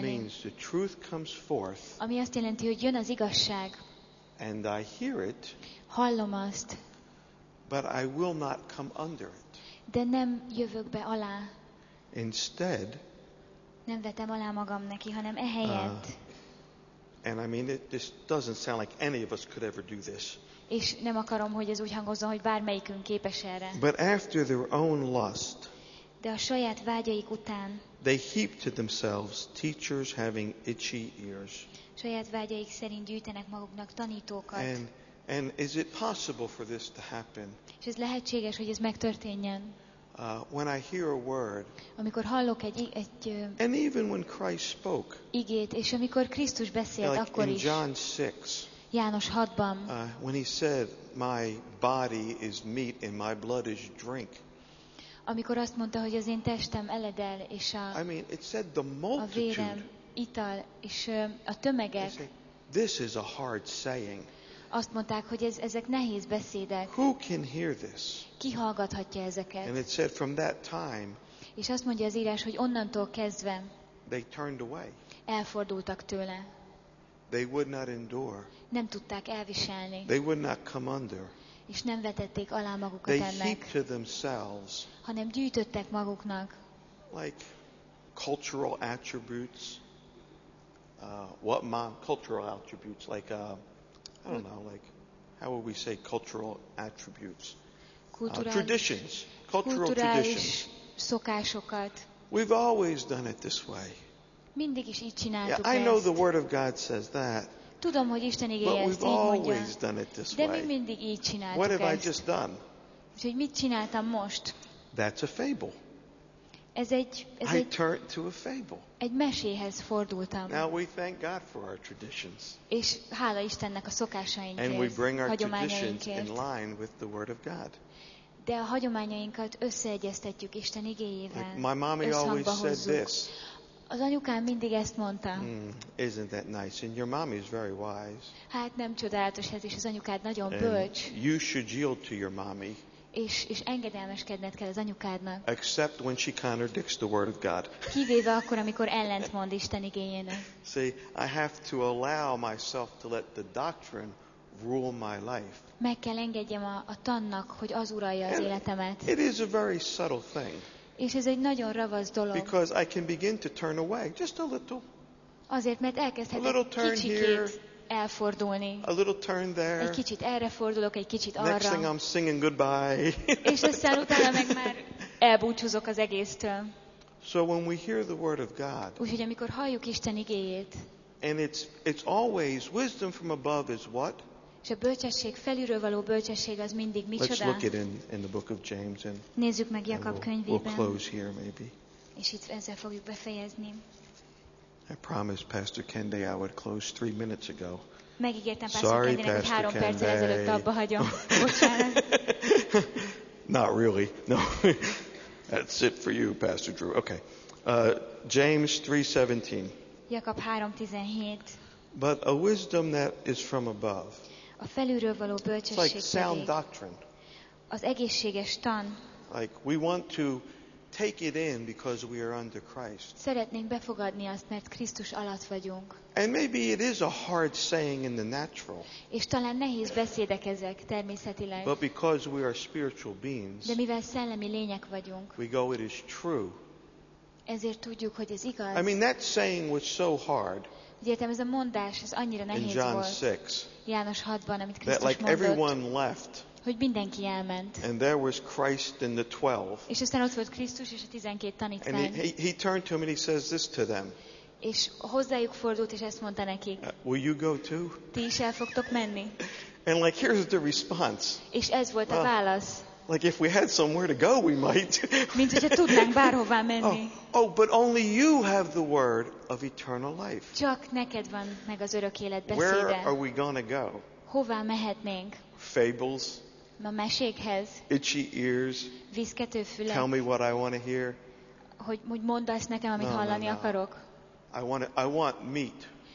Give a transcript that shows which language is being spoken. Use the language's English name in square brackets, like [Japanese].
[English] That means the truth comes forth, [Hungarian] ami azt jelenti, hogy jön az igazság, [English] and I hear it, [Hungarian] hallom azt, [English] but I will not come under it. [Hungarian] De nem jövök be alá. [English] Instead, [Hungarian] Nem vetem alá magam neki, hanem ehelyett. [English] And I mean, this doesn't sound like any of us could ever do this. [Hungarian] És nem akarom, hogy ez úgy hangozzon, hogy bármelyikünk képes erre. [English] But after their own lust, [Hungarian] de a saját vágyaik után, [English] they heap to themselves teachers having itchy ears. [Hungarian] Saját vágyaik szerint gyűjtenek maguknak tanítókat. [English] And is it possible for this to happen? [Hungarian] És ez lehetséges, hogy ez megtörténjen? [English] When I hear a word, [Hungarian] amikor hallok egy [English] and even when Christ spoke, [Hungarian] igét, és amikor Krisztus beszélt, akkor [English] in John 6, [Hungarian] János 6-ban, [English] when he said, "My body is meat and my blood is drink," [Hungarian] amikor azt mondta, hogy az én testem eledel, és a vérem ital, és a tömegek, [English] this is a hard saying. [Hungarian] Azt mondták, hogy ezek nehéz beszédek. [English] Who can hear this? [Hungarian] Ki hallgathatja ezeket? [English] And it said from that time, [Hungarian] és azt mondja az írás, hogy onnantól kezdve [English] they turned away. [Hungarian] Elfordultak tőle. [English] They would not endure. [Hungarian] Nem tudták elviselni. [English] They would not come under. [Hungarian] És nem vetették alá magukat [English] they [Hungarian] ennek. [English] Heaped to themselves, [Hungarian] hanem gyűjtöttek maguknak [English] like cultural attributes, what my cultural attributes, like I don't know, like, how would we say cultural attributes? Traditions. Cultural traditions. [Hungarian] Szokásokat. [English] We've always done it this way. [Hungarian] Mindig is így csináltuk ezt. [English] I know the Word of God says that. [Hungarian] Tudom, hogy Isten igéje ezt így mondja. [English] But we've always done it this way. [Hungarian] De mi mindig így csináltuk ezt. [English] What have I just done? [Hungarian] Úgyhogy mit csináltam most? [English] That's a fable. [Hungarian] Ez egy [English] I turned to a fable. [Hungarian] Egy meséhez fordultam. [English] Now we thank God for our traditions. [Hungarian] És hála Istennek a szokásainkért. [English] And we bring our traditions in line with the Word of God. [Hungarian] De a hagyományainkat összeegyeztetjük Isten igéjével. [English] Like my mommy always said this. [Hungarian] Az anyukám mindig ezt mondta. [English] Isn't that nice? And your mommy is very wise. [Hungarian] Hát nem csodálatos ez, és az anyukád nagyon bölcs. [English] And you should yield to your mommy. [Hungarian] És engedelmeskedned kell az anyukádnak. [English] Except when she contradicts the word of God. [Hungarian] Kivéve akkor, amikor ellentmond Isten igényének. [English] See, I have to allow myself to let the doctrine rule my life. [Hungarian] Meg kell engedjem a tannak, hogy az uralja az életemet. [English] It is a very subtle thing. [Hungarian] És ez egy nagyon ravasz dolog. [English] Because I can begin to turn away just a little. [Hungarian] Azért, mert elkezdhetek kicsikét elfordulni. [English] A little turn there. [Hungarian] Egy kicsit erre fordulok, egy kicsit arra. [English] Next thing I'm singing goodbye. [Hungarian] És aztán utána meg már elbúcsúzok az egésztől. [English] So when we hear the word of God. [Hungarian] Úgyhogy amikor halljuk Isten igéjét. [English] And it's always wisdom from above is what? [Hungarian] És a bölcsesség felülről való bölcsesség az mindig micsoda? [English] Let's look it in the book of James and [Hungarian] nézzük meg Jakab könyvében. [English] We'll close here maybe. [Hungarian] És itt ezzel fogjuk befejezni. [English] I promised Pastor Kende I would close 3 minutes ago. [Hungarian] Megígértem Pastor Kendének, hogy 3 perccel ezelőtt abba hagyom. [English] Not really. No. That's it for you, Pastor Drew. Okay. James 3:17. [Hungarian] Jakab 3:17. [English] But a wisdom that is from above. [Hungarian] A felülről való bölcsesség. [English] Like sound doctrine. [Hungarian] Az egészséges tan. [English] Like we want to take it in because we are under Christ. [Hungarian] Szeretnénk befogadni azt, mert Krisztus alatt vagyunk. [English] And maybe it is a hard saying in the natural. [Hungarian] És talán nehéz beszédek ezek természetileg. [English] But because we are spiritual beings. [Hungarian] De mivel szellemi lények vagyunk. [English] We go it is true. [Hungarian] Ezért tudjuk, hogy ez igaz. [English] I mean that saying was so hard. [Hungarian] Értem, ez a mondás, ez annyira nehéz volt. [English] In John 6. [Hungarian] János 6-ban, amit Krisztus mondott. [English] That like everyone left. [Hungarian] Hogy mindenki elment. [English] And there was Christ and the 12. [Hungarian] És aztán ott volt Krisztus és a 12 tanítvány. [English] And he turned to him and he says this to them. [Hungarian] És hozzájuk fordult és ezt mondta nekik. [English] Will you go too? [Hungarian] Ti is el fogtok menni. [English] And like here's the response. [Hungarian] És ez volt a válasz. [English] Like if we had somewhere to go, we might. [Hungarian] Mint hogyha tudnánk bárhová menni. [English] Oh, but only you have the word of eternal life. [Hungarian] Csak neked van meg az örök élet beszéde. [English] Where are we gonna go? [Hungarian] Hová mehetnénk? [English] Fables. [Hungarian] A mesékhez. [English] Itchy ears. [Hungarian] Viszkető fülek. [English] Tell me what I want to hear. [Hungarian] Hogy mondd azt nekem, amit hallani akarok. [English] I want meat.